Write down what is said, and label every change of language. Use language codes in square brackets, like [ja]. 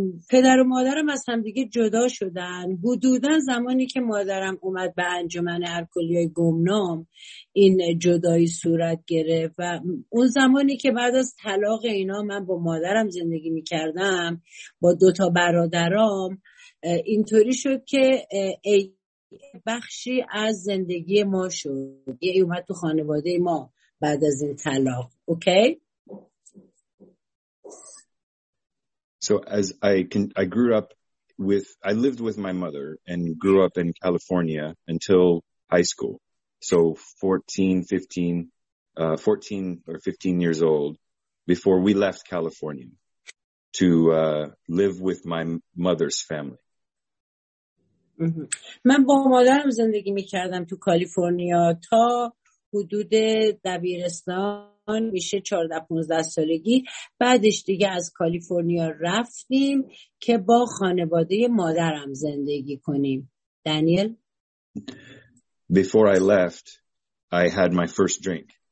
[fa] پدر و مادرم از هم دیگه جدا شدن. حدوداً زمانی که مادرم اومد به انجمن ارکولیای گمنام این جدایی صورت گرفت و اون زمانی که بعد از طلاق اینا من با مادرم زندگی میکردم با دوتا برادرام، اینطوری شد که بخشی از زندگی ما شد، یه اومد تو خانواده ما بعد از این طلاق. اوکی؟ [en] So as I grew up with, I lived with my mother and grew up in California until high school. So 14 or 15 years old before we left California to live with my mother's family. [fa] من با مادرم زندگی میکردم تو کالیفرنیا تا حدود دبیرستان میشه 14-15 سالگی. بعدش دیگه از کالیفرنیا رفتیم که با خانواده مادرم زندگی کنیم. دانیل؟ [en] Before I left, I had my first drink.